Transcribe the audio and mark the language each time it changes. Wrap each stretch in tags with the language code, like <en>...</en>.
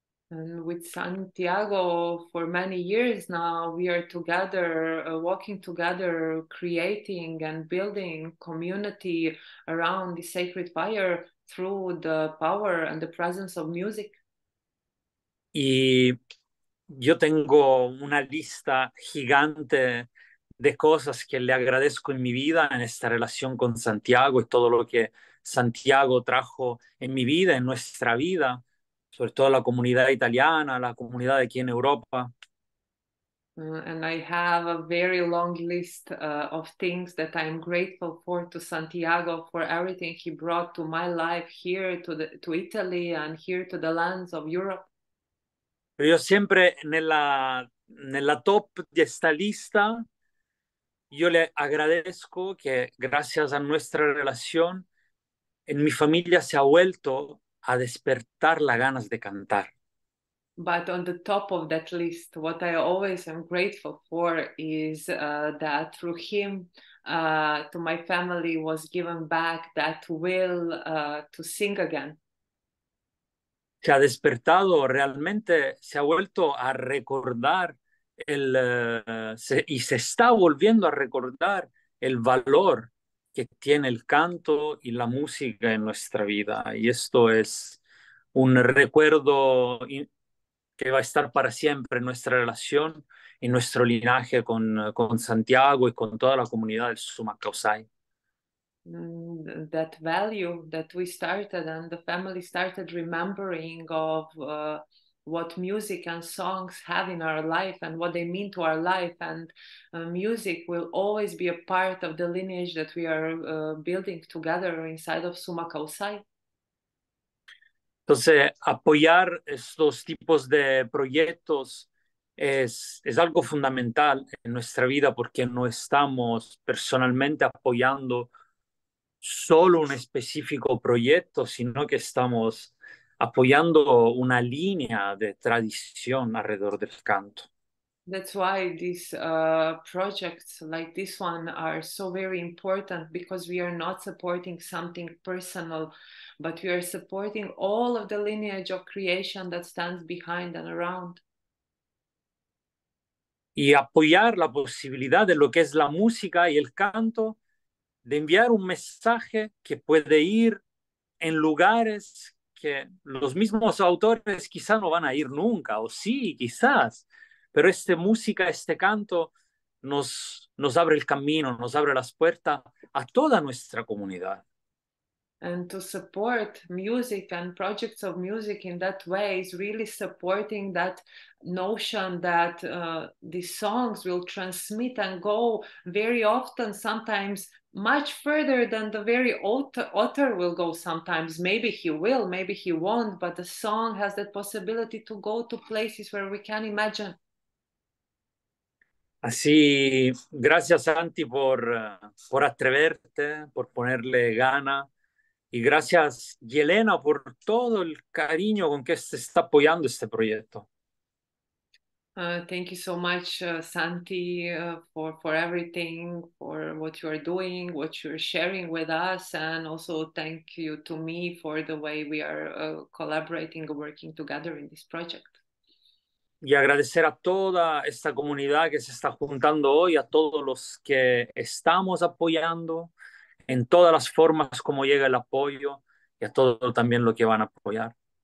<en>And with Santiago, for many years now, we are together, walking together, creating and building community around the sacred fire through the power and the presence of music.</en> <es>Y yo tengo una lista gigante de cosas que le agradezco en mi vida, en esta relación con Santiago y todo lo que Santiago trajo en mi vida, en nuestra vida. Sobre todo la comunidad italiana, la comunidad aquí en Europa.</es> <en>And I have a very long list of things that I'm grateful for to Santiago, for everything he brought to my life here to Italy and here to the lands of Europe.</en> <es>Pero yo siempre en la top de esta lista, yo le agradezco que gracias a nuestra relación, en mi familia se ha vuelto a despertar las ganas de cantar.</es> <en>But on the top of that list, what I always am grateful for is that through him, to my family was given back that will to sing again.</en> <es>se ha despertado, realmente se ha vuelto a recordar y se está volviendo a recordar el valor que tiene el canto y la música en nuestra vida. Y esto es un recuerdo que va a estar para siempre en nuestra relación y nuestro linaje con Santiago y con toda la comunidad del Sumak Kawsay.</es> <en>That value that we started and the family started remembering of what music and songs have in our life and what they mean to our life, and music will always be a part of the lineage that we are building together inside of Sumak Kawsay.</en> <es>Entonces, apoyar estos tipos de proyectos es algo fundamental en nuestra vida, porque no estamos personalmente apoyando solo un específico proyecto, sino que estamos apoyando una línea de tradición alrededor del canto.</es> <en>That's why these projects like this one are so very important, because we are not supporting something personal, but we are supporting all of the lineage of creation that stands behind and around.</en> <es>Y apoyar la posibilidad de lo que es la música y el canto, de enviar un mensaje que puede ir en lugares que los mismos autores quizá no van a ir nunca, o sí, quizás. Pero esta música, este canto, nos abre el camino, nos abre las puertas a toda nuestra comunidad.</es> <en>And to support music and projects of music in that way is really supporting that notion that the songs will transmit and go very often, sometimes much further than the very author will go sometimes. Maybe he will, maybe he won't, but the song has that possibility to go to places where we can imagine.</en> <es>Así, gracias Santi por atreverte, por ponerle gana. Y gracias Yelena por todo el cariño con que se está apoyando este proyecto.</es> <en>Thank you so much, Santi, for everything, for what you are doing, what you are sharing with us. And also thank you to me for the way we are collaborating, working together in this project.</en> <es>Y agradecer a toda esta comunidad que se está juntando hoy, a todos los que estamos apoyando en todas las formas como llega el apoyo, y a todo también lo que van a apoyar.</es>